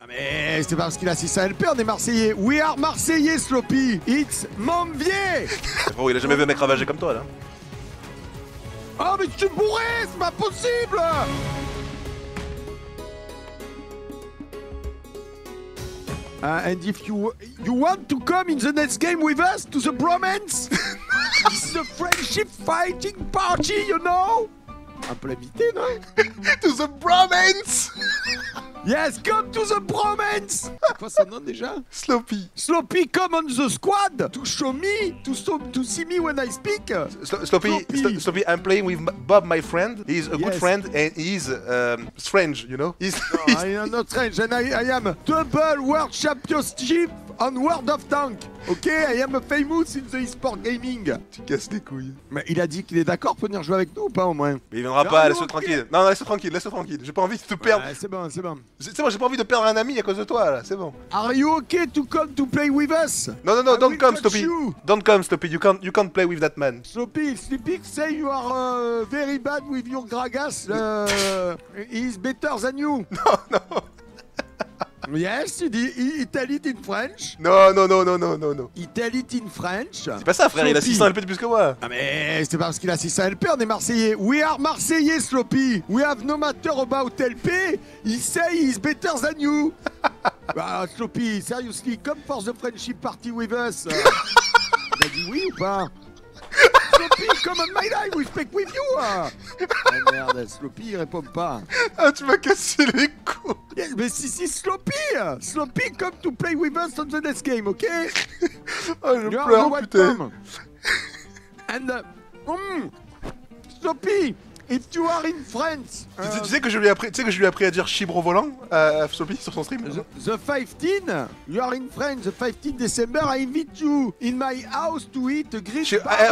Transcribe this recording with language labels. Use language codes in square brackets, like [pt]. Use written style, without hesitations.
[fr] Mais c'est parce qu'il assiste à LPR, des Marseillais. [en] We are Marseillais, Sloppy. It's Mambier. [fr] Oh, il a jamais vu un mec ravagé comme toi, là. Oh, mais tu te bourrais, c'est pas possible. [en] And if you want to come in the next game with us to the bromance, it's the friendship fighting party, you know. [fr] Un peu l'invité, non? [en] To the bromance. Yes, come to the bromance. [fr] Quoi son nom déjà? [en] Sloppy. Sloppy, come on the squad. To show me, to see me when I speak. Sloppy, I'm playing with Bob, my friend. He's a yes. Good friend and he's strange, you know. I'm not strange and I am double world championship on World of Tank. Ok, I am a famous in the e-sport gaming. [fr] Tu casses les couilles. Mais il a dit qu'il est d'accord pour venir jouer avec nous ou pas au moins? Mais il viendra pas, laisse-le tranquille. Non, laisse-le tranquille. J'ai pas envie de te perdre. Ouais, c'est bon. C'est bon, j'ai pas envie de perdre un ami à cause de toi là, c'est bon. [en] Are you okay to come to play with us? No, don't come, Sloppy. You can't play with that man. Sloppy, say you are very bad with your Gragas. He's better than you. No. Yes, [fr] il dit [en] Italian in French. No. Italian in French. [fr] C'est pas ça, frère, Sloppy. Il a 600 LP de plus que moi. Ah, mais c'est parce qu'il a 600 LP, on est Marseillais. [en] We are Marseillais, Sloppy. We have no matter about LP. He say he's better than you. Bah, Sloppy, seriously, come for the friendship party with us. [fr] Il a dit oui ou pas? [en] Sloppy, come on my life, we speak with you. [fr] Ah merde, Sloppy, il répond pas. Ah, tu m'as cassé les couilles. [en] Yes, [fr] mais si, [en] Sloppy, come to play with us on the next game, ok? [fr] Oh, je you pleure, putain. [en] Come. And, Sloppy, if you are in France... [fr] Tu sais que je lui ai appris à dire chibre au volant à Sloppy sur son stream? [en] The 15, you are in France, the 15 December, I invite you in my house to eat a Greek barbecue.